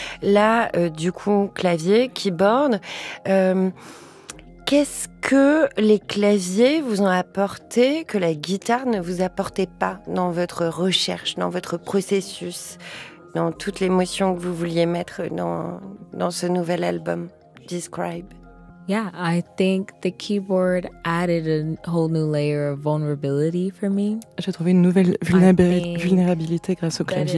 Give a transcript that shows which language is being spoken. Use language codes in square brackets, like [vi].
[fr] Là, du coup, clavier, keyboard. Qu'est-ce que les claviers vous ont apporté que la guitare ne vous apportait pas dans votre recherche, dans votre processus ? Dans toute l'émotion que vous vouliez mettre dans ce nouvel album, Describe. [en] Yeah, I think the keyboard added a whole new layer of vulnerability for me. [fr] J'ai trouvé une nouvelle vulnérabilité grâce au clavier.